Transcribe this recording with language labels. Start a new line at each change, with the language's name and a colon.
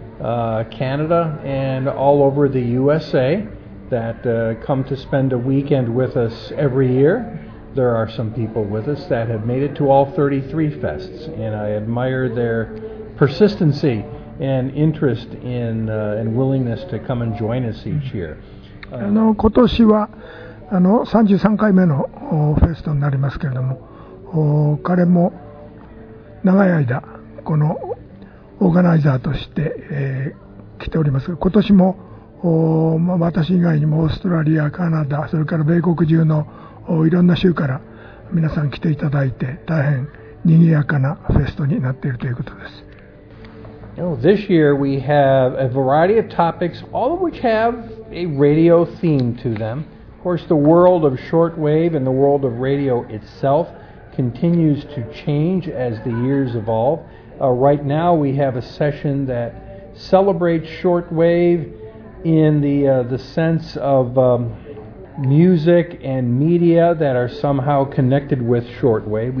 English: Canada and all over the USA that come to spend a weekend with us every year. There are some people with us that have made it to all 33 fests, and I admire their persistency and interest in and willingness to come and join us each year.
Japanese: 今年は33回目のフェストになりますけれども、彼も長い間このオーガナイザーとして、来ております。今年も、まあ、私以外にもオーストラリア、カナダ、それから米国中のいろんな州から皆さん来ていただいて、大変賑やかなフェストになっているということです。
English: Now, This year we have a variety of topics, all of which have a radio theme to them. Of course, the world of shortwave and the world of radio itself continues to change as the years evolve. Right now we have a session that celebrates shortwave in the sense of music and media that are somehow connected with shortwave.